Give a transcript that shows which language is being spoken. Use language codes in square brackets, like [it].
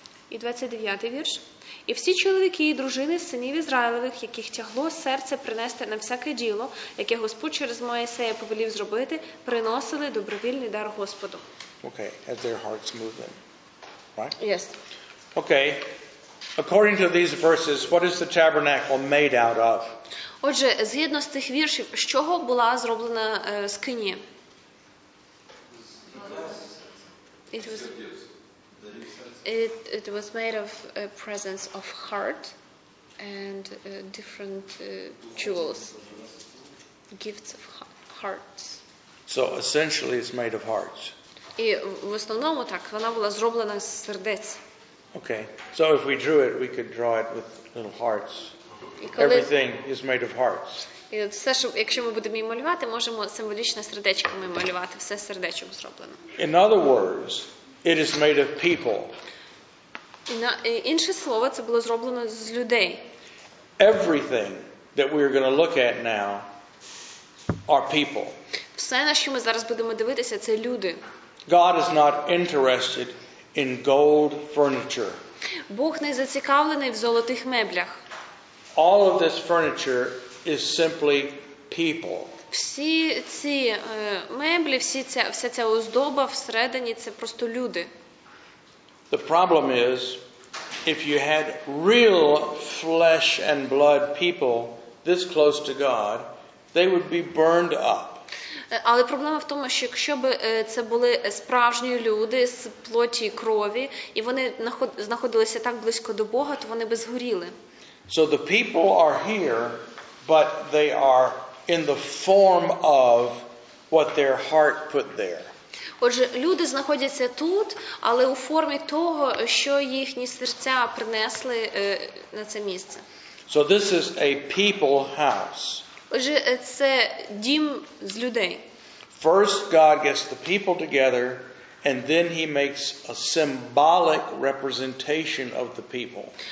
[uk] І 29-й вірш. І всі чоловіки і дружини синів Ізраїлевих, яких тягло серце принести на всяке діло, яке Господь через Моїсея повелів зробити, приносили добровільний дар Господу. [en] Okay, as their hearts move them. Right? Yes. Okay. According to these verses, what is the tabernacle made out of? [uk] Отже, згідно з тих віршів, з чого була зроблена скинія? [en] It was made of a presence of heart and different jewels, gifts of hearts. So essentially it's made of hearts. [uk] І в основному так, вона була зроблена з сердець. [en] Okay, so if we drew it, we could draw it with little hearts. Everything is made of hearts. [uk] І все, що, якщо ми будемо її малювати, можемо символічно сердечками малювати, все сердечком зроблено. [en] In other words, it is made of people. [uk] Інше слово, це було зроблено з людей. [en] Everything that we are going to look at now are people. [uk] Все, на що ми зараз будемо дивитися, це люди. [en] God is not interested in gold furniture. [uk] Бог не зацікавлений в золотих меблях. [en] All of this furniture is simply people. [uk] Всі ці меблі, вся ця оздоба всередині, це просто люди. [en] The problem is, if you had real flesh and blood people this close to God, they would be burned up. [uk] Але проблема в тому, що якщо б це були справжні люди з плоті і крові, і вони знаходилися так близько до Бога, то вони б згоріли. [en] So the people are here, but they are in the form of what their heart put there. [uk] Отже, люди знаходяться тут, але у формі того, що їхні серця принесли на це місце. [en] So this is a people house. [uk] Отже, це дім з людей. [en] First God gets the people together, and then he makes a symbolic representation of the people.